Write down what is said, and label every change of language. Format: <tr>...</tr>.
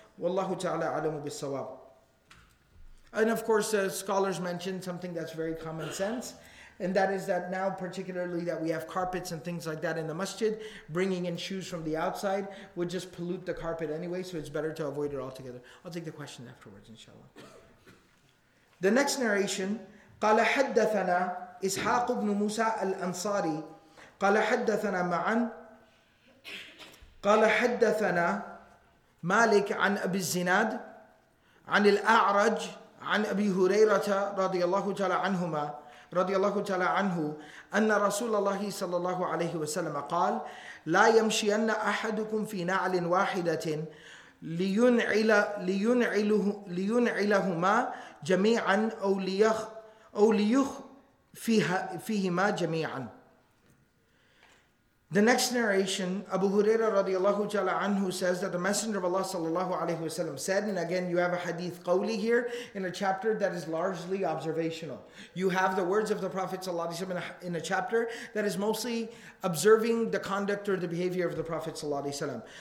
<en>Wallahu ta'ala alamu bisawab. And of course, scholars mentioned something that's very common sense, And that is that now, particularly that we have carpets and things like that in the masjid, bringing in shoes from the outside would just pollute the carpet anyway, so it's better to avoid it altogether. I'll take the question afterwards, inshallah. The next narration,</en> <ar>قَالَ حَدَّثَنَا إِسْحَاقُ بْنُ مُوسَىٰ الْأَنْصَارِ قَالَ حَدَّثَنَا مَعَنْ قَالَ حَدَّثَنَا مَالِكْ عَنْ أَبِي الزِّنَادِ عَنِ الْأَعْرَجِ عَنْ أَبِي هُرَيْرَةَ رَضِيَ اللَّهُ تَعَلَىٰ عَنْهُمَا رضي الله تعالى عنه أن رسول الله صلى الله عليه وسلم قال لا يمشين أحدكم في نعل واحدة لينعلهما جميعا أو ليخفيهما جميعا.</ar> <en>The next narration, Abu Huraira radiallahu ta'ala anhu says that the Messenger of Allah sallallahu alayhi wa sallam said, and again you have a hadith qawli here in a chapter that is largely observational. You have the words of the Prophet sallallahu alayhi wa sallam in a chapter that is mostly observing the conduct or the behavior of the Prophet sallallahu alayhi wa sallam.</en>